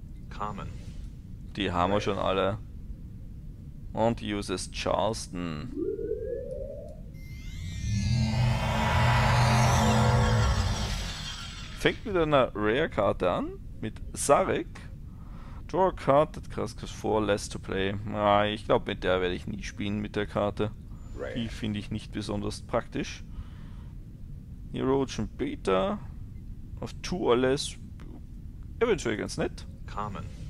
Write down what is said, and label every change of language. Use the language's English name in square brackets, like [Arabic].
[German] Carmen. Die haben wir schon alle. Und uses Charleston. Fängt mit einer Rare-Karte an, mit Sarek. [English] Draw a card that costs 4 less to play. [German] Ah, ich glaube, mit der werde ich nie spielen, mit der Karte. Rare. Die finde ich nicht besonders praktisch. Erosion Beta. Auf 2 [English] or less. [German] Eventuell ganz nett. Carmen.